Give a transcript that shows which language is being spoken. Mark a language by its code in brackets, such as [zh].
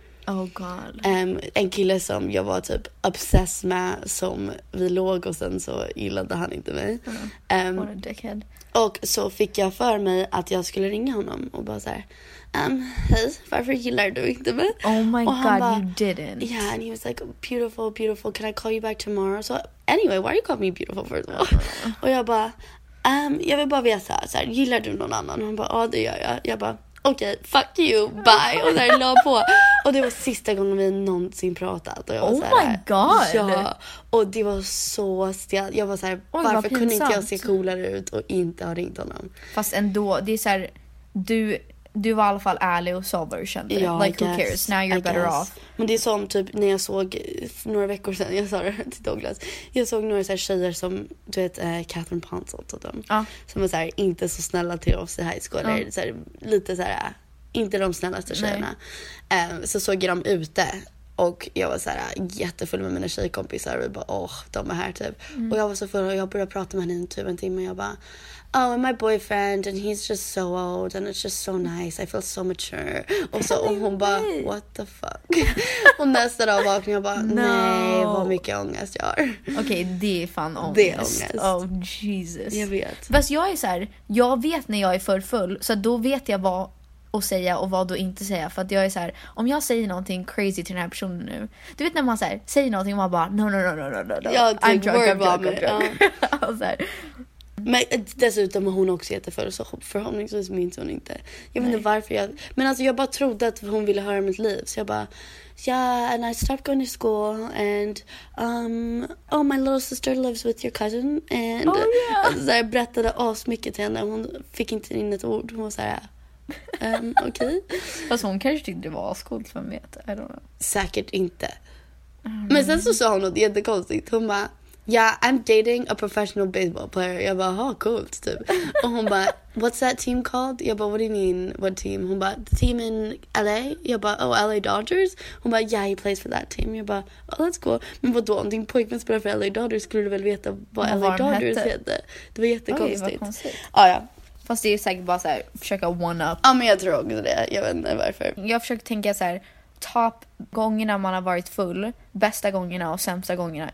[en] Oh god. [sv] En kille som jag var typ obsessed med, som vi låg och sen så gillade han inte mig. [en] What a dickhead. [sv] Och så fick jag för mig att jag skulle ringa honom och bara så här, hej, varför gillar du inte mig? [en] Oh my god, ba, you didn't. Yeah, and he was like, beautiful, beautiful, can I call you back tomorrow? So anyway, why are you calling me beautiful first of all? [sv] Och jag bara, jag vill bara veta, så här, gillar du någon annan? Och han bara, ja, det gör jag. Jag bara, okej, okay, [en] fuck you, bye. [sv] Och där la på. Och det var sista gången vi någonsin pratat. Och jag var så här, [en] oh my god. [sv] Ja. Och det var så stelt. Jag var så här, varför kunde inte jag se coolare ut och inte ha ringt honom? Fast ändå, det är så här, du var i alla fall ärlig och sober, kände du? Ja, [en] like, who cares? Now you're better off. [sv] Men det är som typ när jag såg för några veckor sedan, jag sa det till Douglas. Jag såg några så här tjejer som, du vet, Catherine Ponsolt och dem. Som var så här, inte så snälla till oss i high school. Så här, lite så här, inte de snällaste tjejerna. Så såg jag dem ute. Och jag var så här jättefull med mina tjejkompisar. Och bara, åh, de är här typ. Mm. Och jag var så full och jag började prata med henne i typ en timme. Och jag bara, [en] oh, and my boyfriend, and he's just so old, and it's just so nice. I feel so mature. [sv] Och så och hon bara, [en] what the fuck? [sv] Och nästa dag vaknade jag bara, nej, vad mycket ångest jag har. Okej, det är fan ångest. Det är ångest. Oh, Jesus. Jag vet. Fast jag är så här, jag vet när jag är för full, så då vet jag vad och säga och vad då inte säga. För att jag är så här, om jag säger någonting crazy till den här personen nu, du vet när man så här, säger någonting och man bara no. Ja, [en] I'm drunk, I'm drunk. [sv] Så här. Men dessutom hon också jätteför, så förhoppningsvis minns hon inte. Jag vet inte varför jag, men alltså jag bara trodde att hon ville höra mitt liv. Så jag bara, [en] yeah, and I stopped going to school and oh, my little sister lives with your cousin. And oh, yeah. [sv] Så jag berättade as mycket till henne. Hon fick inte in ett ord. Hon var såhär, okej. Okay. Alltså hon kanske tyckte det var ascoolt, vem vet. [en] I don't know. [sv] Säkert inte. Men sen så sa hon något jättekonstigt. Hon bara, [en] yeah, I'm dating a professional baseball player. [sv] Jag bara, ha, coolt typ. Och hon bara, [en] what's that team called? [sv] Jag bara, [en] what do you mean, what team? [sv] Hon bara, [en] the team in LA? [sv] Jag bara, oh, LA Dodgers? Hon bara, [en] yeah, he plays for that team. [sv] Jag bara, [en] oh, that's cool. [sv] Men vadå, om din pojkvän spelar för LA Dodgers, skulle du väl veta vad LA Dodgers heter? Det var jättekonstigt. Oj, ja. Fast det är säkert bara så här, försöka one-up. Ja, men jag tror också det. Jag vet inte varför. Jag försöker tänka så här, top gångerna man har varit full, bästa gångerna och sämsta gångerna.